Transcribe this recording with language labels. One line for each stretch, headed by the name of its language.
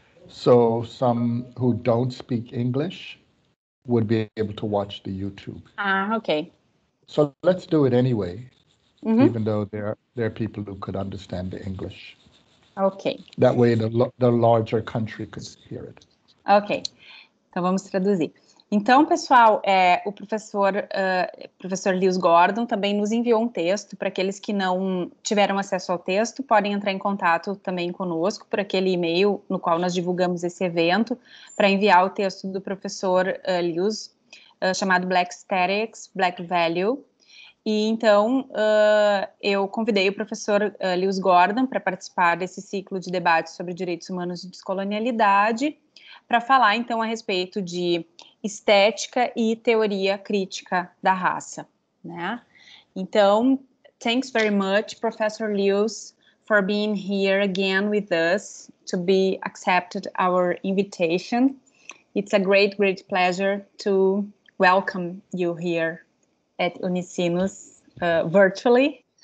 English: So some who don't speak English would be able to watch the YouTube. Okay. So let's do it anyway, even though there are people who could understand the English. Okay. That way the larger country could hear it.
Portuguese: Okay. Então vamos traduzir. Então, pessoal, o professor Lewis Gordon também nos enviou um texto. Para aqueles que não tiveram acesso ao texto, podem entrar em contato também conosco por aquele e-mail no qual nós divulgamos esse evento, para enviar o texto do professor Lewis, chamado Black Aesthetics, Black Value. E então, eu convidei o professor Lewis Gordon para participar desse ciclo de debates sobre direitos humanos e descolonialidade, para falar, então, a respeito de estética e teoria crítica da raça, né?
English: Então, thanks very much, Professor Lewis, for being here again with us, to be accepted our invitation. It's a great, great pleasure to welcome you here at Unisinos virtually.